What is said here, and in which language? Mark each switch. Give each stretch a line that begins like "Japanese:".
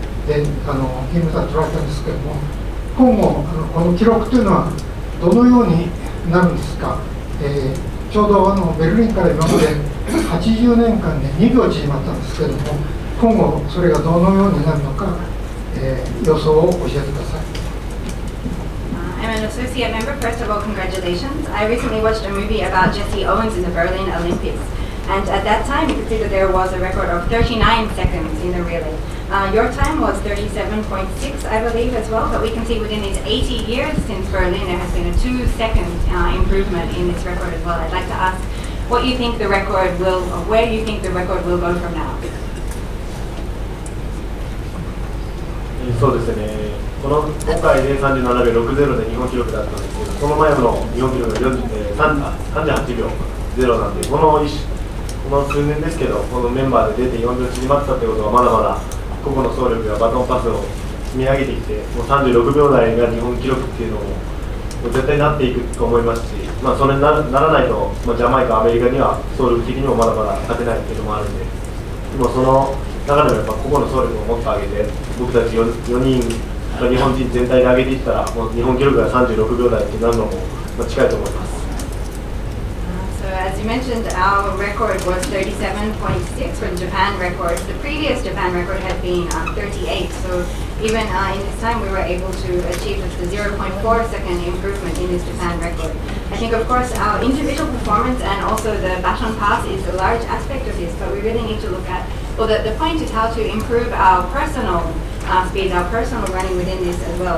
Japanese: で金メダル取られたんですけども、今後この記録というのはどのようになるんですか。ちょうどベルリンから今まで80年間で2秒縮まったんですけども、今後それがどのようになるのか、予想を教えてください。
English: I'm an associate member. First of all, congratulations. I recently watched a movie about Jesse Owens in the Berlin Olympics, and at that time you could see that there was a record of 39 seconds in the relayyour time was 37.6, I believe, as well. But we can see within these 80 years since Berlin, there has been a 2-second improvement in this record as well. I'd like to ask what you think the record will, or where you think the record will go from now.
Japanese: そうですね。この今回で37秒60で日本記録だったんですけど、この前の日本記録が38秒0なんで、この数年ですけど、このメンバーで出て4秒縮まったということは、まだまだ個々の総力やバトンパスを積み上げてきて、もう36秒台が日本記録っていうのも絶対なっていくと思いますし、まあ、それにならないと、まあ、ジャマイカ、アメリカには総力的にもまだまだ勝てないっていうのもあるんで、もうその中でもやっぱ個々の総力をもっと上げて、僕たち 4人が日本人全体で上げていったら、もう日本記録が36秒台ってなるのも近いと思います。
English: So as you mentioned, our record was 37.6 for the Japan record. The previous Japan record had been 38, so even in this time we were able to achieve a 0.4 second improvement in this Japan record. I think of course our individual performance and also the baton pass is a large aspect of this, but we really need to look at, well, the point is how to improve our personal speed, our personal running within this as well.